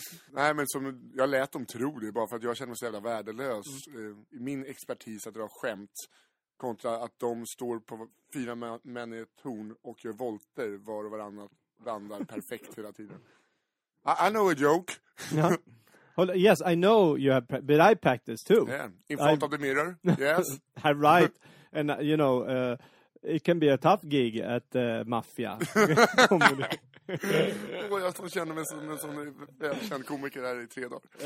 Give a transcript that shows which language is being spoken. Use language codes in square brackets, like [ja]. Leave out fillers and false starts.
[sv] Nej, men som jag lät dem tro det. Bara för att jag känner mig så jävla värdelös. I min expertis att dra skämt. Kontra att de står på fyra män i ett torn och gör volter var och varannat. Vandrar perfekt hela tiden. [en] I know a joke. Yeah. Hold on. Yes, I know you have, but I practice too. Yeah. In front of the mirror, yes. I write, and you know, it can be a tough gig at Mafia. [sv] Jag som känner mig som en sån välkänd komiker här i 3 dagar.